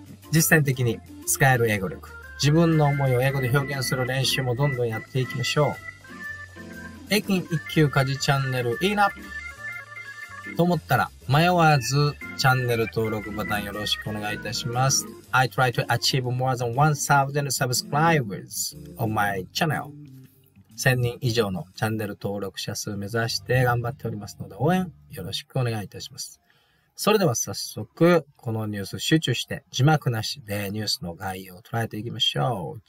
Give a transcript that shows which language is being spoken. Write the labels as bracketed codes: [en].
[ja] 実践的に使える英語力、自分の思いを英語で表現する練習もどんどんやっていきましょう。英検一級カジチャンネルいいなと思ったら迷わずチャンネル登録ボタンよろしくお願いいたします。 [en] I try to achieve more than 1000 subscribers on my channel。 [ja] 1000人以上のチャンネル登録者数目指して頑張っておりますので応援よろしくお願いいたします。それでは早速このニュース集中して字幕なしでニュースの概要を捉えていきましょう。